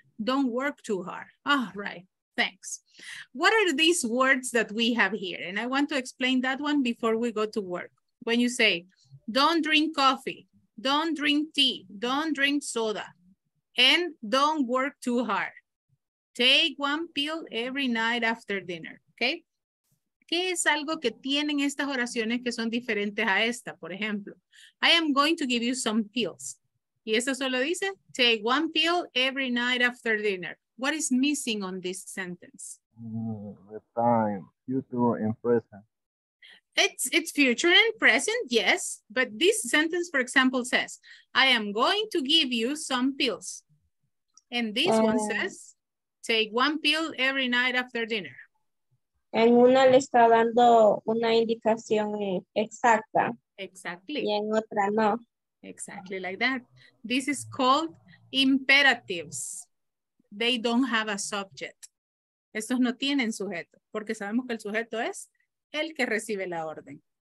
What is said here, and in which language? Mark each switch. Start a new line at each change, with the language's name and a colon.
English: Don't work too hard. Oh, right, thanks. What are these words that we have here? And I want to explain that one before we go to work. When you say, don't drink coffee, don't drink tea, don't drink soda, and don't work too hard. Take one pill every night after dinner, okay?
Spanish: ¿Qué es algo que tienen estas oraciones que son diferentes a esta? Por ejemplo,
English: I am going to give you some pills.
Spanish: Y eso solo dice,
English: take one pill every night after dinner. What is missing on this sentence? The time, future and present. It's future and present, yes. But this sentence, for example, says, I am going to give you some pills. And this one says, take one pill every night after dinner.
Spanish: En una le está dando una indicación exacta.
English: Exactly.
Spanish: Y en otra no.
English: Exactly like that. This is called imperatives. They don't have a subject.
Spanish: Estos no tienen sujeto, porque sabemos que el sujeto es el que recibe la orden.